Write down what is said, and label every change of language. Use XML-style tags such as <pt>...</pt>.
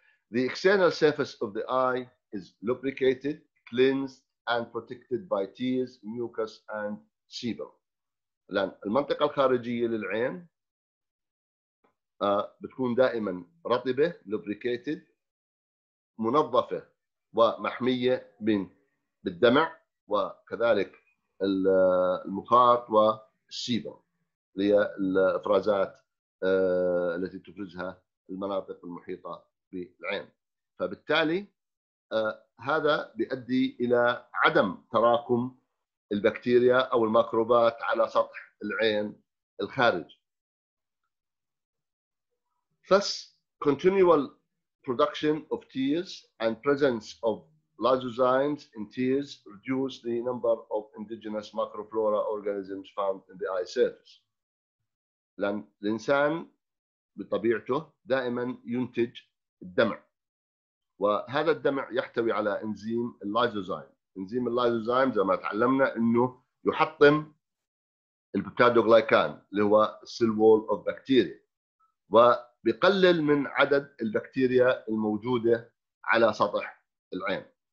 <en>The external surface of the eye is lubricated, cleansed, and protected by tears, mucus, and sebum.</en> <ar>لأن المنطقة الخارجية للعين بتكون دائما رطبة، lubricated، منظفة ومحمية بالدمع وكذلك المخاط والسيبوم اللي هي الإفرازات التي تفرزها المناطق المحيطة بالعين. فبالتالي هذا بيؤدي إلى عدم تراكم البكتيريا أو الميكروبات على سطح العين الخارجي.</ar> <en>Thus, continual production of tears and presence of lysozymes in tears reduce the number of indigenous microflora organisms found in the eye surface.</en> <ar>لأن الإنسان بطبيعته دائما ينتج الدمع، وهذا الدمع يحتوي على إنزيم اللايزوزايم. إنزيم اللايزوزايم زي ما تعلمنا إنه يحطم البكتيريوغلايكان اللي هو</ar> <en>السيل wall of بكتيريا،</en> <ar>وبيقلل من عدد البكتيريا الموجودة على سطح العين.</ar>